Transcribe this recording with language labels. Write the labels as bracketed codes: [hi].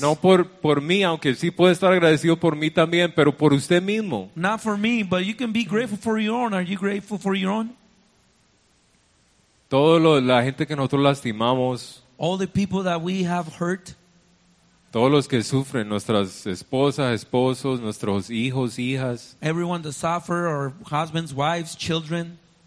[es] No por mí, aunque sí puede estar agradecido por mí también, pero por usted mismo. [en] Not for me, but you can be grateful for your own. Are you grateful for your own? [es] Toda la gente que nosotros lastimamos. [en] All the people that we have hurt. [es] Todos los que sufren, nuestras esposas, esposos, nuestros hijos, hijas. [en] Everyone that suffer, our husbands, wives, children.